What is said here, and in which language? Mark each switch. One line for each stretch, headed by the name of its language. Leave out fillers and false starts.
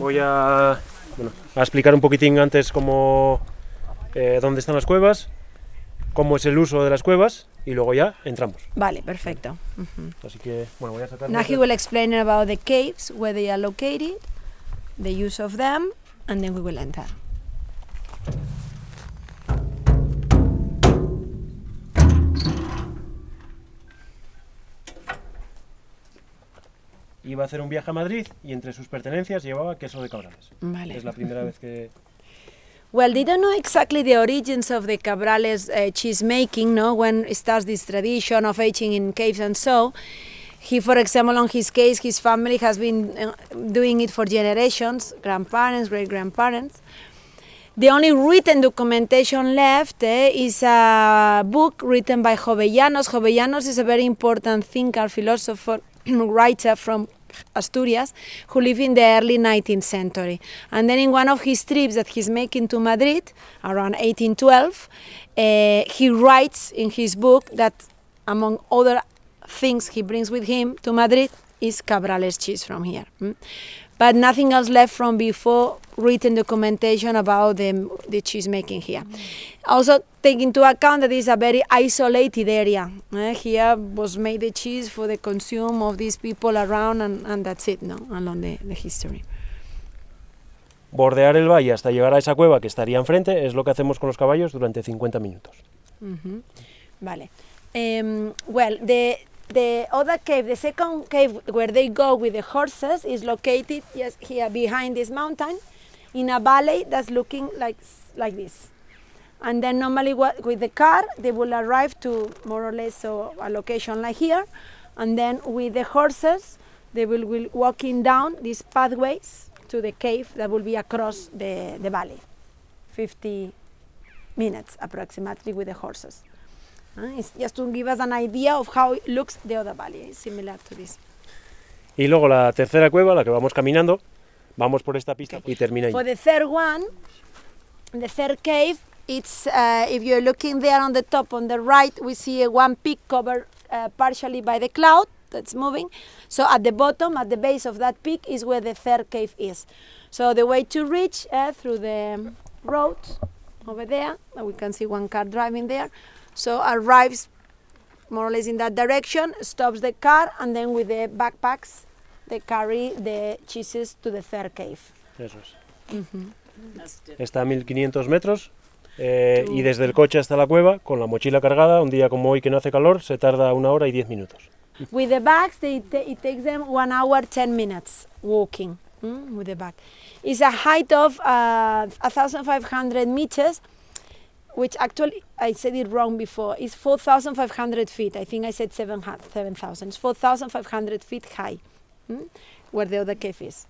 Spanish: Voy a a explicar un poquitín antes cómo dónde están las cuevas, cómo es el uso de las cuevas. Y luego ya entramos. Vale, perfecto. Mm-hmm. Así que, bueno, voy a sacar.
English: Now he will explain about the caves, where they are located, the use of them, and then we will enter.
Spanish: Iba a hacer un viaje a Madrid y entre sus pertenencias llevaba queso de Cabrales. Vale. Es la primera vez que.
English: Well, they don't know exactly the origins of the Cabrales cheese making, no? When it starts this tradition of aging in caves and so. He, for example, on his case, his family has been doing it for generations, grandparents, great-grandparents. The only written documentation left is a book written by Jovellanos. Jovellanos is a very important thinker, philosopher, writer from Asturias, who lived in the early 19th century. And then in one of his trips that he's making to Madrid, around 1812, he writes in his book that, among other things he brings with him to Madrid, is Cabrales cheese from here. But nothing else left from before written documentation about the cheese making here. Mm-hmm. Also, take into account that it's a very isolated area. Here was made the cheese for the consume of these people around, and that's it, no? Along the history.
Spanish: Bordear el valle hasta llegar a esa cueva que estaría enfrente es lo que hacemos con los caballos durante 50 minutos. Mm-hmm. Vale.
English: The other cave, the second cave where they go with the horses, is located just here behind this mountain, in a valley that's looking like this. And then normally with the car, they will arrive to more or less a location like here. And then with the horses, they will walking down these pathways to the cave that will be across the valley. 50 minutes approximately with the horses. It's just to give us an idea of how it looks the other valley, similar to this.
Spanish: Y luego la tercera cueva, la que vamos caminando, vamos por esta pista, okay. Y termina ahí.
English: For the third one, the third cave, it's if you're looking there on the top on the right, we see one peak covered partially by the cloud that's moving. So at the bottom, at the base of that peak, is where the third cave is. So the way to reach through the road over there, we can see one car driving there. So arrives more or less in that direction, stops the car, and then with the backpacks, they carry the cheeses to the third cave.
Spanish: Eso es. Mm-hmm. Está a 1500 metros, y desde el coche hasta la cueva, con la mochila cargada, un día como hoy que no hace calor, se tarda una hora y 10 minutos.
English: With the bags, it takes them 1 hour, 10 minutes walking with the bag. It's a height of 1,500 meters, which actually, I said it wrong before, is 4,500 feet. I think I said 7,000. It's 4,500 feet high, where the other cave is.